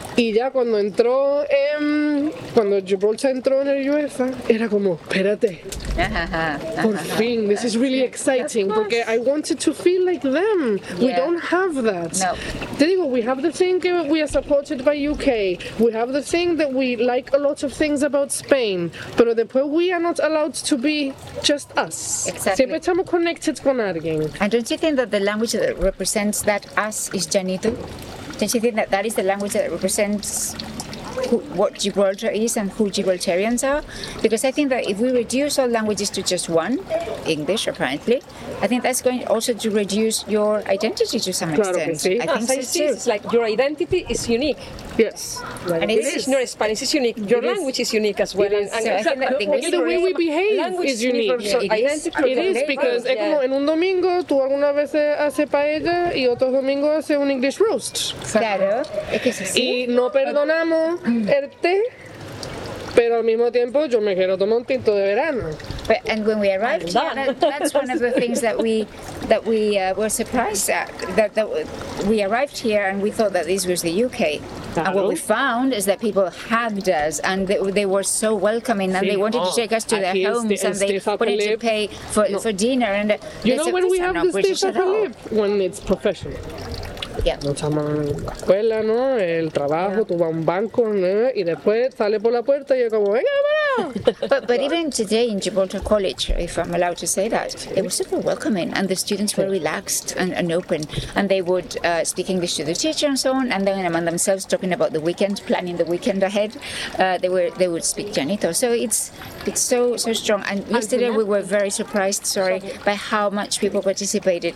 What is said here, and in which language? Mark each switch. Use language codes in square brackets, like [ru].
[es] Y ya cuando entró en, cuando Gibraltar entró en el UEFA, era como, espérate. Por fin, [en] this is really exciting, [es] porque [en] I wanted to feel like them. Yeah. We don't have that. No. [es] Te digo, [en] we have the thing that we are supported by UK. We have the thing that we like a lot of things about Spain. [es] Pero después [en] we are not allowed to be just us. Exactly. [es] Siempre estamos connected con alguien. [en] And don't you think that the language that represents that us is Janito? Don't you think that that is the language that represents who, what Gibraltar is and who Gibraltarians are? Because I think that if we reduce all languages to just one, English apparently, I think that's going also to reduce your identity to some extent. [es] Claro que sí. [en] I think so too. It's like your identity is unique. Yes. And it is. No, Spanish is unique. Your language is unique as well. The way we behave is unique. It is, because [es] es como en un domingo tú alguna vez haces paella y otro domingo haces un English roast. Claro. Y no perdonamos el té, pero al mismo tiempo yo me quiero tomar un tinto de verano. [en] But, and when we arrived, yeah, that's one of the things that we were surprised at, that we arrived here and we thought that this was the UK. [es] Claro. [en] And what we found is that people hugged us and they were so welcoming, and [es] sí, [en] they wanted to take us to [es] aquí [en] their homes [es] este [en] and they wanted to pay for, [es] no, [en] for dinner. And you know when we have the British at all? When it's professional. Yeah. [es] No estamos en la escuela, ¿no? El trabajo, yeah. Tú vas a un banco, ¿no? Y después sale por la puerta y es como, ¡venga, vámonos! [en] But even today in Gibraltar College, if I'm allowed to say that, sí, it was super welcoming, and the students were relaxed and open, and they would speak English to the teacher and so on, and then among themselves talking about the weekend, planning the weekend ahead, they would speak Janito. So it's so strong. And yesterday we were very surprised, by how much people participated.